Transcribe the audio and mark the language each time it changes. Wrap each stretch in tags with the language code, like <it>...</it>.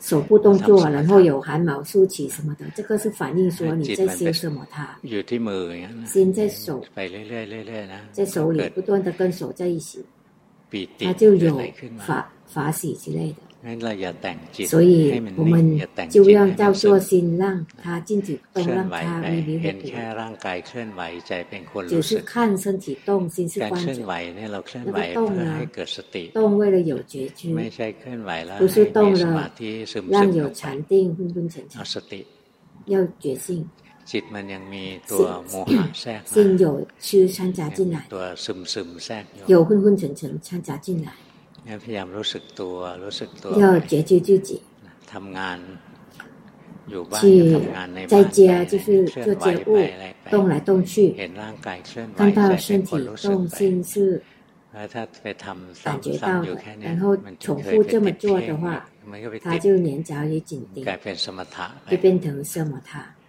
<zh>手部动作然后有汗毛竖起什么的这个是反映说你在修什么它</zh> <th>อยู่ที่มืออย่างนั้</th> <zh>น心在手</zh> <th>ไปเรื่อยเรื่อยนะ</th> <zh>在手里不断的跟手在一起</zh> <th>ปีติ</th> <zh>它就有法喜之类的</zh> <th>那เราอย่าแต่งจิต</th> <zh>所以我们就要照做心让它静止动让它迷迷糊糊</zh> <th>เห็นแค่ร่างกายเคลื่อนไหวใจเป็นคน รู้สึก</th> <zh>只是看身体动心是观</zh> <th>การเคลื่อนไหวเนี่ยเราเคลื่อนไหวเพื่อให้เกิดสติ</th> <zh>动为了有觉知</zh> <th>ไม่ใช่เคลื่อนไหวแล้ว</th> <zh>不是动了</zh> <th>สมาธิซึมซึ</th> <zh>ม让有禅定昏昏沉沉</zh> <th>สติ</th> <zh>要觉性</zh> <th>จิตมันยังมีตัวโมหะแทรก</th> <zh>心有痴掺杂进来</zh> <th>ตัวซึมซึมแทรก</th> <zh>有昏昏沉沉掺杂进来</zh> <th>พยายามรู้สึกตัวรู้สึกตัว</th> <zh>要觉知自己</zh> <th>ทำงานอยู่บ้านทำงานในบ้าน ใจเจีย</th> <zh>就是做家务动来动去</zh> <th>เห็นร่างกายเคลื่อนไหว</th> <zh>看到身体动心是</zh> <th>แล้วถ้าไปทำ ซ้ำๆอยู่ แค่นี้</th> <zh>然后重复这么做的话它就粘着于紧盯</zh> <th>กลายเป็นสมถะ</th> <zh>就变成สมถะ</zh>